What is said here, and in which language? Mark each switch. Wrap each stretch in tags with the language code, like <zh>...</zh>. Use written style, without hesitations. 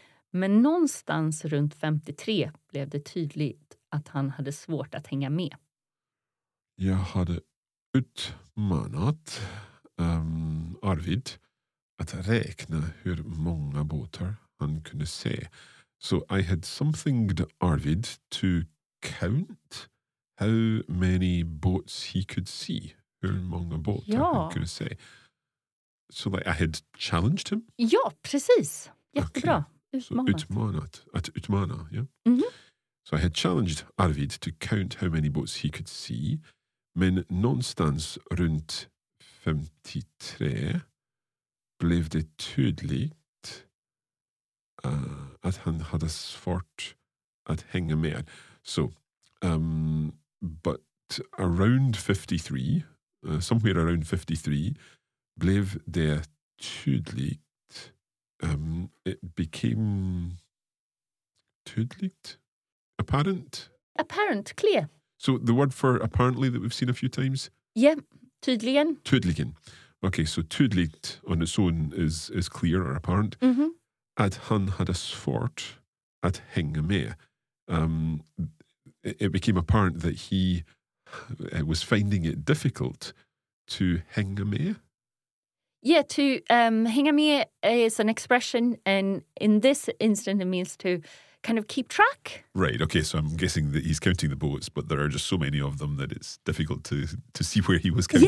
<sv>Men någonstans runt 53 blev det tydligt att han hade svårt att hänga med. Jag hade utmanat Arvid att räkna hur många båtar han kunde se.</sv> <en>So I had somethinged Arvid to count how many boats he could see.</en> <sv>Hur många båtar han kunde se.</sv> <en>So like I had challenged him?</en> <sv>Ja, precis. Jättebra. Okay. Utmanat. So, att utmana, ja. Yeah? Mm-hmm.</sv> <en>So I had challenged Arvid to count how many boats he could see.</en> <sv>Men någonstans runt 53 blev det tydligt att han hade svårt att hänga med.</sv> <en>So, but around 53, somewhere around 53,</en> <sv>blev det tydligt.</sv> <en>It became tydligt? Apparent? Apparent, clear. So the word for apparently that we've seen a few times? Yeah, tydligen. Tydligen. Okay, so tydligt on its own is clear or apparent. Mm-hmm.</en> <sv>Att han hade svårt att hänga med.</sv> <en>It became apparent that he was finding it difficult to hänga med. Yeah, to hänga med is an expression, and in this instance it means to kind of keep track. Right, okay, so I'm guessing that he's counting the boats, but there are just so many of them that it's difficult to see where he was counting,</en>